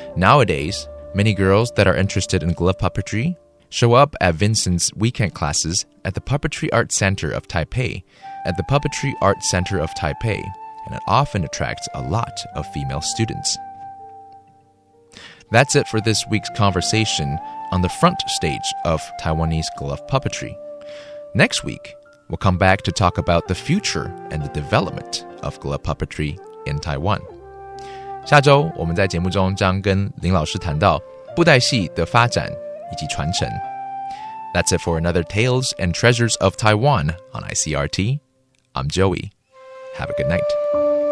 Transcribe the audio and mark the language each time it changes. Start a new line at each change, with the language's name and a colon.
English: Nowadays,Many girls that are interested in glove puppetry show up at Vincent's weekend classes at the Puppetry Art Center of Taipei, at the Puppetry Art Center of Taipei, and it often attracts a lot of female students. That's it for this week's conversation on the front stage of Taiwanese glove puppetry. Next week, we'll come back to talk about the future and the development of glove puppetry in Taiwan.
Chinese: 下周我们在节目中将跟林老师谈到布袋戏的发展以及传承。
English: That's it for another Tales and Treasures of Taiwan on ICRT. I'm Joey. Have a good night.